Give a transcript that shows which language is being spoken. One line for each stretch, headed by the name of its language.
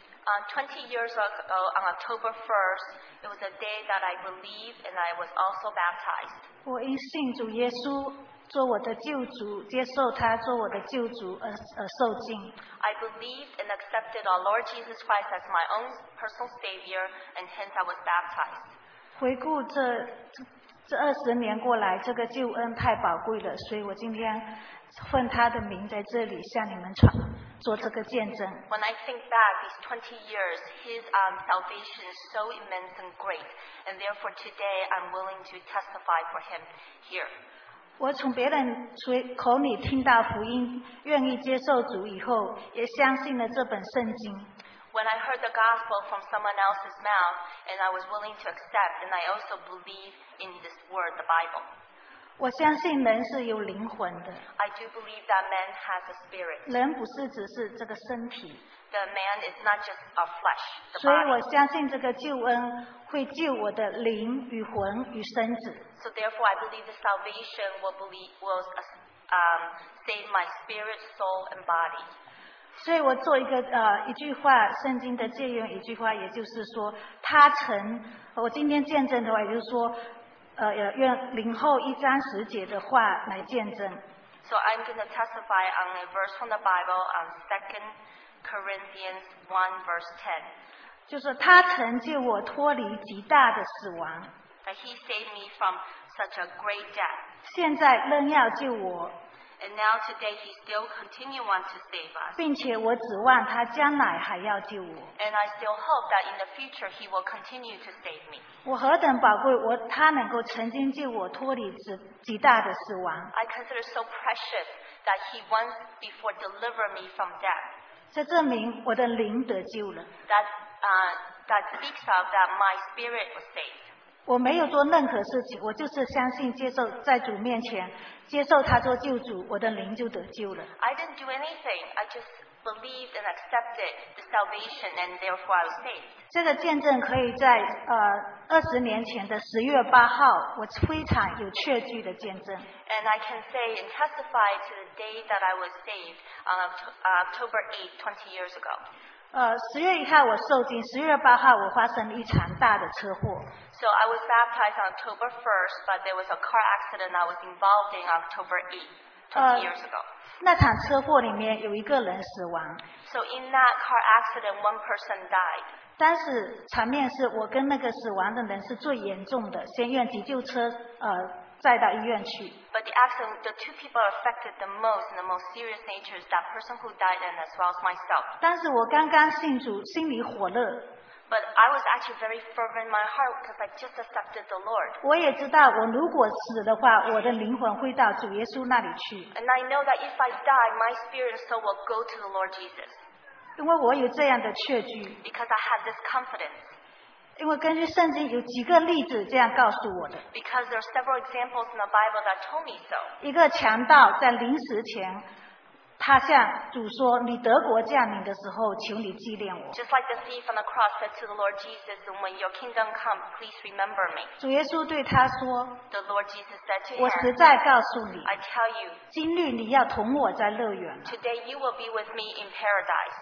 English: 20 years ago on October 1st, it was a day that I believed and I was also baptized.
Chinese: 我因信主耶稣做我的救主，接受他做我的救主而受浸。
English: I believed and accepted our Lord Jesus Christ as my own personal Savior, and hence I was baptized.
Chinese: 回顾这二十年过来，这个救恩太宝贵了，所以我今天奉他的名在这里向你们传做这个见证。
English: When I think back these 20 years, His salvation is so immense and great, and therefore today I'm willing to testify for Him here.
Chinese: 我从别人口里听到福音，愿意接受主以后，也相信了这本圣经。
English: When I heard the gospel from someone else's mouth, and I was willing to accept, and I also believe in this word, the Bible.
Chinese: 我相信人是有灵魂的。
English: I do believe that man has a spirit.
Chinese: 人不是只是这个身体。
English: The man is not just a flesh, the body.
Chinese: 所以我相信这个救恩会救我的灵与魂与身子。
English: So therefore, I believe the salvation will save my spirit, soul, and body.
Chinese: 所以我做一个一句话，圣经的借用一句话，也就是说，他曾，我今天见证的话，也就是说，用零后一章十节的话来见证。
English: So I'm going to testify on a verse from the Bible on 2 Corinthians 1 verse 10.
Chinese: 就是他曾救我脱离极大的死亡。
English: That he saved me from such a great death.
Chinese: 现在仍要救我。
English: And now today he still continue want to save us.
Chinese: 并且我指望他将来还要救我。
English: And I still hope that in the future he will continue to save me.
Chinese: 我何等宝贵，他能够曾经救我脱离极大的死亡。
English: I consider so precious that he once before delivered me from death.
Chinese: 这证明我的灵得救了。
English: That speaks of that my spirit was saved.
Chinese: 我没有做任何事情，我就是相信接受在主面前接受他做救主，我的灵就得救了。
English: I didn't do anything. I just believed and accepted the salvation, and therefore I was saved.
Chinese: 这个见证可以在
English: 20 years ago
Chinese: 的10月8号，我非常有确据的见证。
English: And I can say and testify to the day that I was saved on October 8, 20 years ago.
Chinese: 10月1号我受浸，10月8号我发生了一场大的车祸。
English: So I was baptized on October 1st, but there was a car accident I was involved in October 8, 20 years ago.
Chinese: 那场车祸里面有一个人死亡。
English: So in that car accident, one person died.
Chinese: 但是场面是我跟那个死亡的人是最严重的，先用急救车载到医院去。
English: But the accident, the two people affected the most in the most serious nature is that person who died and as well as myself.
Chinese: 但是我刚刚信主，心里火热。
English: But I was actually very fervent in my heart because I just accepted the Lord.
Chinese: 我也知道，我如果死的话，我的灵魂会到主耶稣那里去。
English: And I know that if I die, my spirit and soul will go to the Lord Jesus.
Chinese: 因为我有这样的确据。
English: Because I had this confidence.
Chinese: 因为根据圣经有几个例子这样告诉我的。
English: Because there are several examples in the Bible that told me so.
Chinese: 一个强盗在临死前，他向主说：“你德国降临的时候，求你纪念我。”
English: Just like the thief on the cross said to the Lord Jesus, "When your kingdom comes, please remember me."
Chinese: 主耶稣对他说
English: ：“The Lord Jesus said to him,
Chinese: 我实在告诉你
English: ，I tell you,
Chinese: 今日你要同我在乐园。”
English: Today you will be with me in paradise.